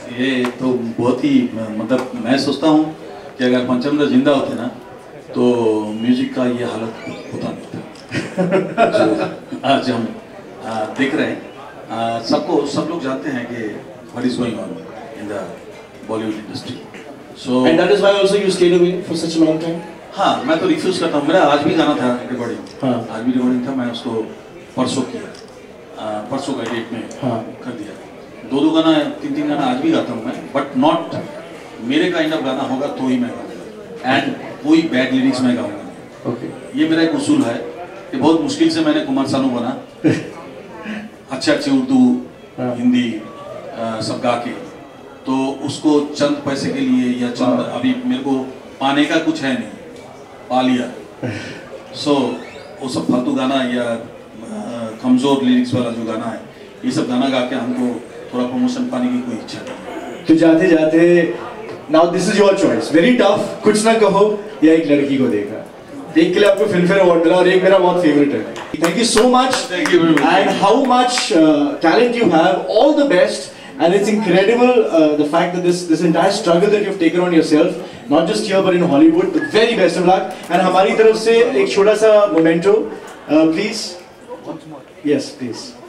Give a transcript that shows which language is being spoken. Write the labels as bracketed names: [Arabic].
[Hindi] ये तो बहुत ही, मतलब मैं सोचता हूँ कि अगर पंचम दा जिंदा होते ना तो म्यूजिक का ये हालत होता नहीं था आज हम देख रहे हैं। सबको, सब लोग जानते हैं कि [English] What is going on in the Bollywood industry. So, and that is why also you stayed away for such a long time. [Hindi] हाँ, मैं तो refuse करता हूँ। मेरा आज भी गाना था recording। हाँ, आज भी recording था। मैं उसको परसों किया, परसों का date में कर दिया। दो दो गाना, तीन तीन गाना आज भी गाता हूँ मैं, but not मेरे kind of गाना होगा तो ही मैं गाऊंगा, and कोई bad lyrics मैं गाऊंगा। [English] Okay। [Hindi] ये मेरा एक उसूल है कि बहुत मुश्किल से मैंने कुमार सानू बना अच्छे अच्छे उर्दू हिंदी सब गा के, तो उसको चंद पैसे के लिए या चंद, अभी मेरे को पाने का कुछ है नहीं, पा लिया सो वो सब फालतू गाना या कमजोर लिरिक्स वाला जो गाना है, ये सब गाना गा के हमको थोड़ा प्रमोशन पाने की कोई इच्छा नहीं। तो जाते जाते, [English] now this is your choice, very tough, [Hindi] कुछ ना कहो या एक लड़की को देखा, देख के लिए आपको फिल्म फेयर अवार्ड मिला और एक मेरा बहुत फेवरेट है। [English] Thank you so much, thank you very much, and how much talent you have, all the best. And it's incredible the fact that this entire struggle that you've taken on yourself, not just here but in Hollywood, the very best of luck. [Hindi] And हमारी तरफ से एक छोटा सा memento, please. [English] Once more. Yes, please.